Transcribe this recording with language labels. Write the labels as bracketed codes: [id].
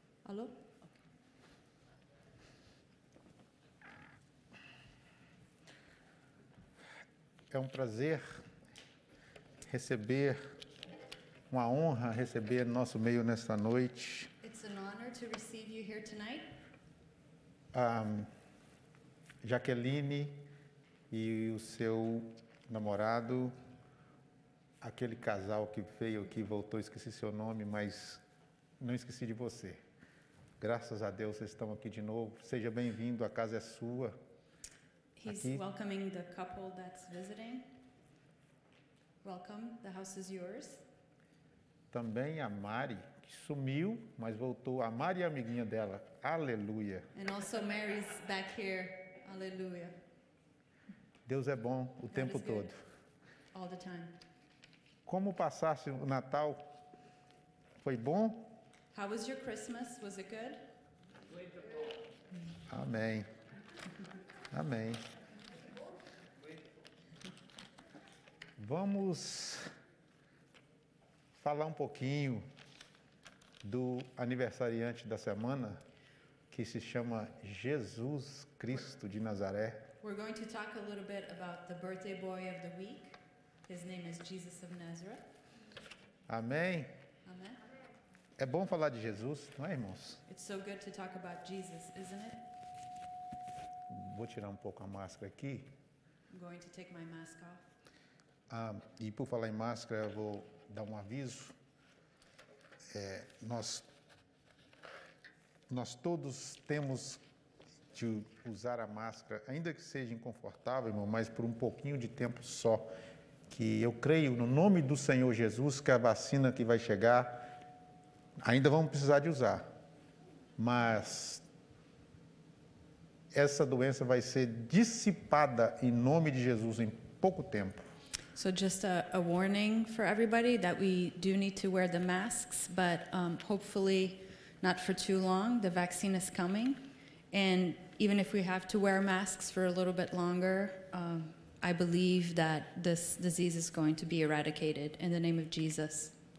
[pt] Alô? É um prazer receber, uma honra receber no nosso meio nesta noite. [en] It's an honor to receive you here tonight. [pt] Jaqueline e o seu namorado, aquele casal que veio, que voltou, esqueci seu nome, mas não esqueci de você. Graças a Deus, vocês estão aqui de novo. Seja bem-vindo, a casa é sua. [en] He's [pt] aqui. [en] Welcoming the couple that's visiting. Welcome, the house is yours. [pt] Também a Mari, que sumiu, mas voltou. A Mari é amiguinha dela. Aleluia. [en] And also Mary's back here. [pt] Aleluia. Deus é bom o [en] God [pt] tempo todo. [en] All the time. [pt] Como passaste o Natal? Foi bom? [en] How was your Christmas? Was it good? [pt] Amém. Amém. Vamos falar um pouquinho do aniversariante da semana, que se chama Jesus Cristo de Nazaré. [en] We're going to talk a little bit about the birthday boy of the week. His name is Jesus of Nazareth. [pt] Amém. Amém. É bom falar de Jesus, não é, irmãos? [en] It's so good to talk about Jesus, isn't it? [pt] Vou tirar um pouco a máscara aqui. [en] I'm going to take my mask off. [pt] E por falar em máscara, eu vou dar um aviso. Nós todos temos de usar a máscara, ainda que seja inconfortável, irmão, mas por um pouquinho de tempo só. Que eu creio no nome do Senhor Jesus que a vacina que vai chegar, ainda vamos precisar de usar, mas essa doença vai ser dissipada em nome de Jesus em pouco tempo. [en] So just a warning for everybody that we do need to wear the masks, but hopefully not for too long. The vaccine is coming, and even if we have to wear masks for a little bit longer, I believe that this disease is going to be eradicated in the name of Jesus.